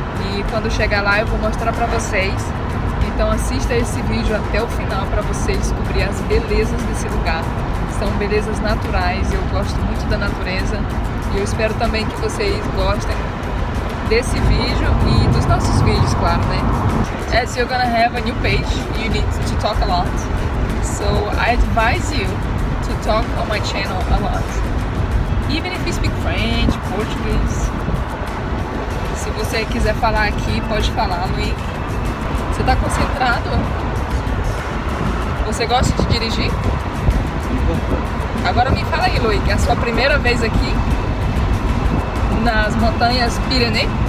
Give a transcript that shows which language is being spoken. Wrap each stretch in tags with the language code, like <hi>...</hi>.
<pt>E quando chegar lá eu vou mostrar para vocês. Então assista esse vídeo até o final para você descobrir as belezas desse lugar. São belezas naturais e eu gosto muito da natureza. E eu espero também que vocês gostem desse vídeo e dos nossos vídeos, claro, né?</pt> <en>As you're gonna have a new page, you need to talk a lot. So I advise you to talk on my channel a lot. Even if you speak French, Portuguese.</en> <pt>Se você quiser falar aqui, pode falar, Luiz. Você está concentrado? Você gosta de dirigir? Agora me fala aí, Luiz, é a sua primeira vez aqui nas montanhas Pirineu?</pt>